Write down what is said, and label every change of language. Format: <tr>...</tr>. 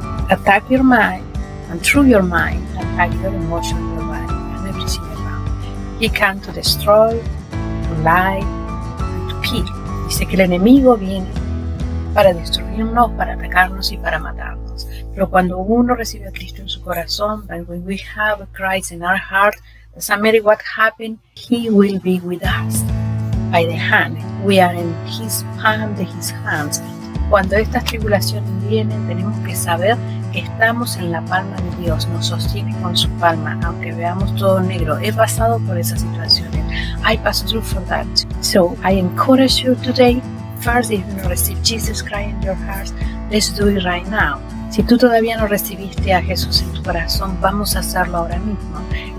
<en>Attack your mind, and through your mind, attack your emotion, your body, and everything around. He comes to destroy, to lie, to kill.</en> <es>Dice que el enemigo viene para destruirnos, para atacarnos y para matarnos. Pero cuando uno recibe a Cristo en su corazón,</es> <en>and when we have Christ in our heart, doesn't matter what happened, He will be with us by the hand. We are in His palm, in His hands.</en> <es>Cuando estas tribulaciones vienen, tenemos que saber que estamos en la palma de Dios. Nos sostiene con su palma, aunque veamos todo negro. He pasado por esas situaciones.</es> <en>I passed through for that. So I encourage you today, first, if you don't receive Jesus Christ in your heart, let's do it right now.</en> <es>Si tú todavía no recibiste a Jesús en tu corazón, vamos a hacerlo ahora mismo.</es>